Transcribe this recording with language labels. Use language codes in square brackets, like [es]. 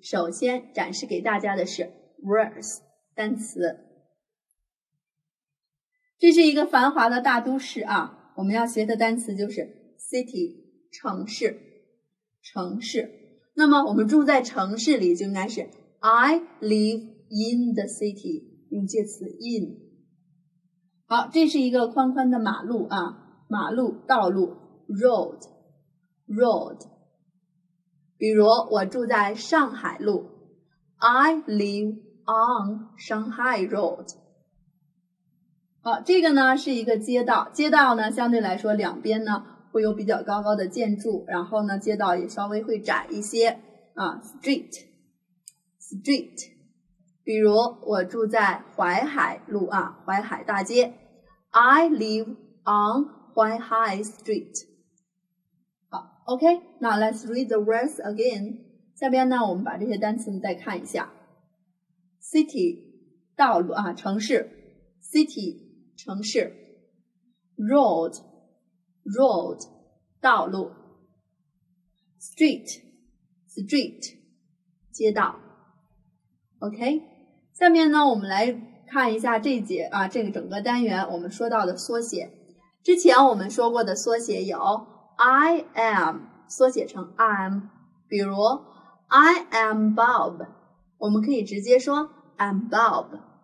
[zh] 首先展示给大家的是 Words 单词，这是一个繁华的大都市我们要学的单词就是 City 城市，城市。那么我们住在城市里就应该是 [en] I live in the city， [zh] 用介词 in。好，这是一个宽宽的马路马路道路 road road。比如我住在上海路 [en] I live on Shanghai road。 [zh] 好，这个呢是一个街道，街道呢相对来说两边呢会有比较高高的建筑，然后呢街道也稍微会窄一些street street。比如我住在淮海路淮海大街 [en] I live on Huaihai Street. 好 ,OK, now let's read the words again. [zh] 下边呢我们把这些单词再看一下。 City, 道路城市。City, 城市。 [en] Road, road, [zh] 道路。 [en] Street, street, [zh] 街道。 OK, 下面呢我们来看一下这节这个整个单元我们说到的缩写。之前我们说过的缩写有 I am， 缩写成 I'm， 比如 [en] I am Bob， [zh] 我们可以直接说 [en] I'm Bob。